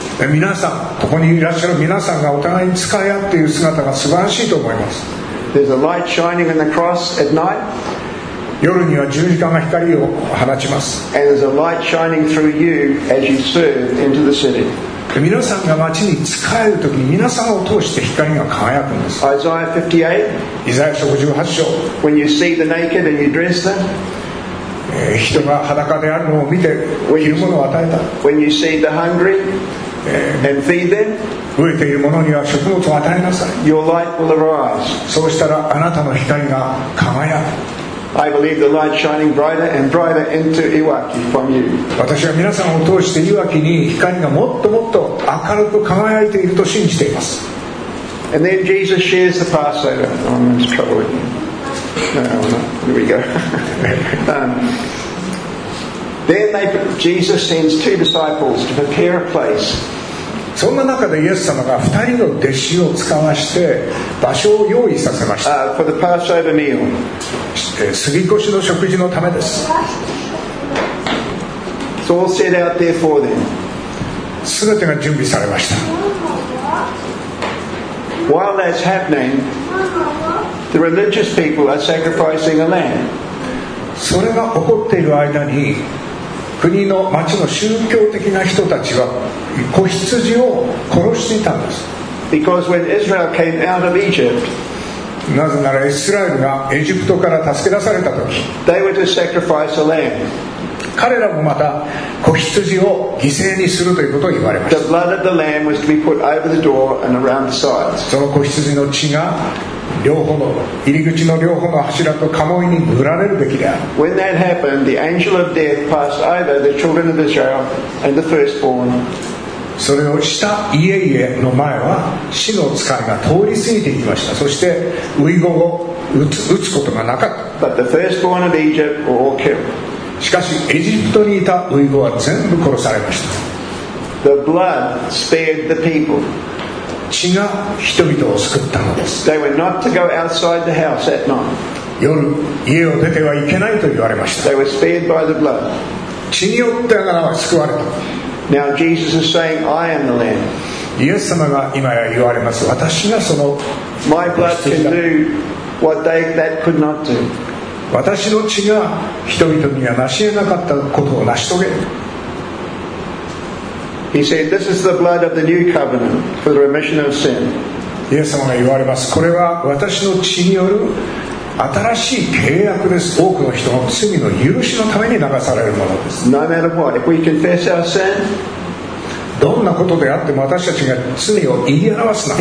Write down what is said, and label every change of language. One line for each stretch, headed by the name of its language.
Japanese: 皆さん、ここにいらっしゃる皆さんがお互いに使い合っている姿が素晴らしいと思います。
English: There's a light shining in the cross at night.
Japanese: 夜には十字架が光を放ちます。
English: And there's a light shining through you as you serve into the city.
Japanese: 皆さんが街に仕えるときに皆さんを通して光が輝くんです。
English: Isaiah 58,
Japanese: イザヤ書58章。
English: When you see the naked and you dress them,
Japanese: 人が裸であるのを見て着るものを与えた。
English: When you see the hungry and feed them,
Japanese: 飢えている者には食物を与えなさい。
English: Your light will arise.
Japanese: そうしたらあなたの光が輝く。
English: I believe the light shining brighter and brighter into Iwaki from you.
Japanese: 私は皆さんを通していわきに光がもっともっと明るく輝いていると信じています。
English: And then Jesus shares the Passover. Oh, that's troubling. Here we go. Then Jesus sends two disciples to prepare a place.
Japanese: そんな中でイエス様が2人の弟子を使わして場所を用意させました。
English: For the Passover meal.
Japanese: 過ぎ越しの食事のためです。
English: So all set out there for them.
Japanese: 全てが準備されました。
English: While that's happening, the religious people are sacrificing a lamb.
Japanese: それが起こっている間に国の町の宗教的な人たちは子羊を殺していたんです。
English: Because when Israel came out of Egypt,
Japanese: なぜならイスラエルがエジプトから助け出された時、
English: they were to sacrifice a lamb.
Japanese: 彼らもまた子羊を犠牲にするということを言われました。
English: The blood of the lamb was to be put over the door and around the sides.
Japanese: その子羊の血が両方の入り口の両方の柱と鴨居に塗られるべきである。
English: When that happened, the angel of death passed over the children of Israel and the firstborn.
Japanese: それをした家々の前は死の使いが通り過ぎていきました。そして初子を打つことがなかった。
English: But the firstborn of Egypt were all killed.
Japanese: しかしエジプトにいた初子は全部殺されました。
English: The blood spared the people.
Japanese: 血が人々を救ったのです。
English: They were not to go outside the house at night.
Japanese: 夜家を出てはいけないと言われました。
English: They were spared by the blood.
Japanese: 血によってあなたは救われた。
English: Now Jesus is saying, I am the lamb.
Japanese: イエス様が今や言われます。私がその
English: My blood can do what they that could not do.
Japanese: 私の血が人々には成し得なかったことを成し遂げる。
English: He said, "This is the blood of the new covenant for the remission of sin."
Japanese: イエス様が言われます。これは私の血による新しい契約です。多くの人の罪の許しのために流されるものです。
English: No matter what, if we confess our sin,
Japanese: どんなことであっても私たちが罪を言い表すなら、